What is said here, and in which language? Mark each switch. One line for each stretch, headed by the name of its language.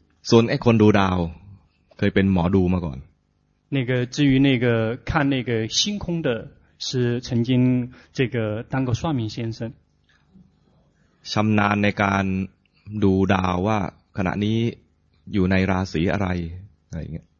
Thai: ส่วนไอ้คนดูดาวเคยเป็นหมอดูมาก่อน
Chinese: 那个至于那个看那个星空的是曾经这个当过算命先生
Thai: ชำนาญในการดูดาวว่าขณะนี้อยู่ในราศีอะไรอะไรอย่างเงี้ย